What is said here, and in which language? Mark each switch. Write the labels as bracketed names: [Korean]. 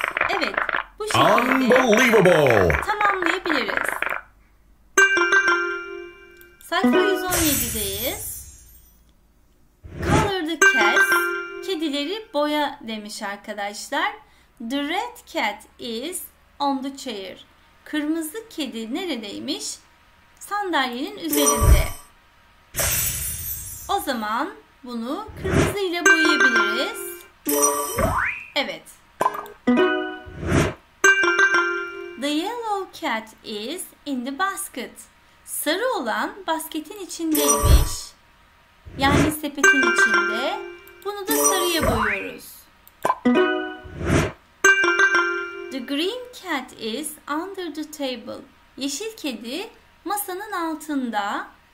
[Turkish] Evet, bu şekilde tamamlayabiliriz. Sayfa 117'deyiz. [English] Color the cats. [Turkish] Kedileri boya demiş arkadaşlar. [English] The red cat is on the chair. [Turkish] Kırmızı kedi neredeymiş? Sandalyenin üzerinde. O zaman bunu kırmızı ile boyayabiliriz. Evet. [English] The yellow cat is in the basket. [Turkish] Sarı olan basketin içindeymiş. Yani sepetin içinde. Bunu da sarıya boyuyoruz. [English] The green cat is under the table. [Turkish] Yeşil kedi masanın altında.